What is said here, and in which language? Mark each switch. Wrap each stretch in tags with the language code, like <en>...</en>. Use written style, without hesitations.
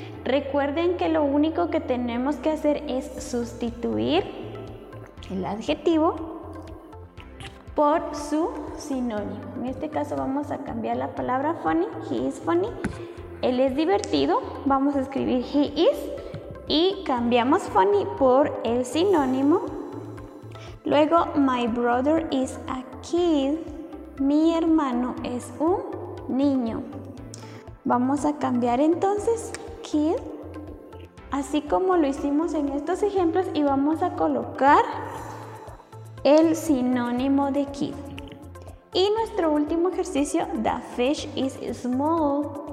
<es>Recuerden que lo único que tenemos que hacer es sustituir el adjetivo por su sinónimo. En este caso vamos a cambiar la palabra funny.</es> <en>He is funny.</en> <es>Él es divertido. Vamos a escribir</es> <en>he is</en> <es>y cambiamos funny por el sinónimo.</es> <en>Luego, my brother is a kid.</en> <es>Mi hermano es un niño. Vamos a cambiar entonces kid, así como lo hicimos en estos ejemplos, y vamos a colocar el sinónimo de kid. Y nuestro último ejercicio,</es> <en>the fish is small.</en>